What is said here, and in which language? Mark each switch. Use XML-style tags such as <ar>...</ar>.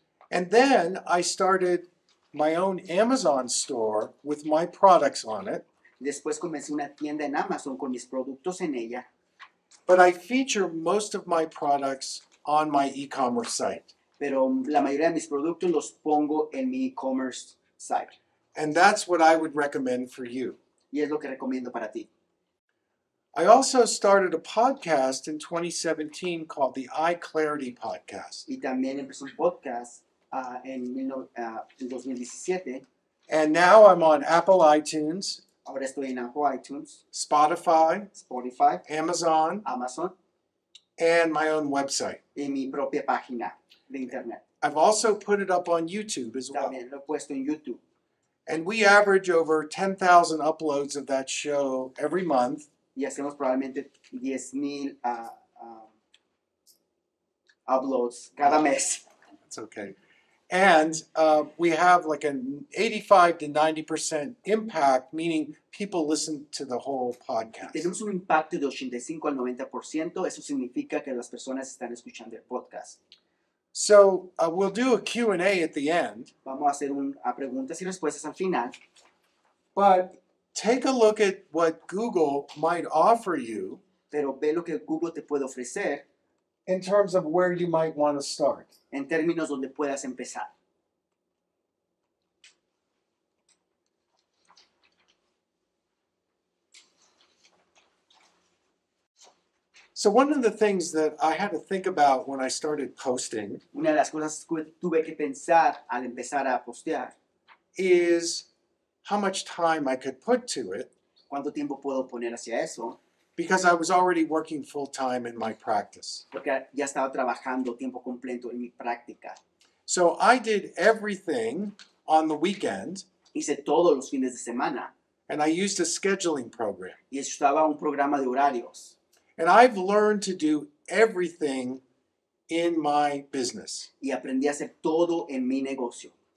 <en>And then I started my own Amazon store with my products on it.</en> <es>Después comencé una tienda en Amazon con mis productos en ella.</es> <en>But I feature most of my products on my e-commerce site.</en> <es>Pero la mayoría de mis productos los pongo en mi</es> <en>e-commerce site. And that's what I would recommend for you.</en> <es>Y es lo que recomiendo para ti.</es> <en>I also started a podcast in 2017 called the EyeClarity Podcast.</en> <es>Y también empecé un podcast en 2017.</es> <en>And now I'm on Apple iTunes.</en> <es>Ahora estoy en Apple iTunes.</es> <en>Spotify. Amazon. And my own website.</en> <es>Y mi propia página de internet.</es> <en>I've also put it up on YouTube as</en> <es>también</es> <en>well.</en> <es>También lo he puesto en YouTube.</es> <en>And we average over 10,000 uploads of that show every month.</en> <es>Y hacemos probablemente 10,000 uploads cada mes.</es> <en>That's okay. And we have like an 85% to 90% impact, meaning people listen to the whole podcast.</en> <es>Tenemos un impacto de 85% to 90%. Eso significa que las personas están escuchando el podcast.</es> <en>So we'll do a Q&A at the end.</en> <es>Vamos a hacer a preguntas y respuestas al final.</es> <en>But take a look at what Google might offer you.</en> <es>Pero ve lo que Google te puede ofrecer.</es> <en>In terms of where you might want to start.</en> <es>En términos donde puedas empezar.</es> <en>So one of the things that I had to think about when I started posting,</en> <es>una de las cosas que tuve que pensar al empezar a postear,</es> <en>is how much time I could put to it.</en> <es>¿Cuánto tiempo puedo poner hacia eso?</es> <en>Because I was already working full time in my practice.</en> <es>Porque ya estaba trabajando tiempo completo en mi práctica.</es> <en>So I did everything on the weekend.</en> <es>Hice todos los fines de semana.</es> <en>And I used a scheduling program.</en> <es>Y usaba un programa de horarios.</es> <en>And I've learned to do everything in my business.</en> <es>Y aprendí a hacer todo en mi negocio.</es>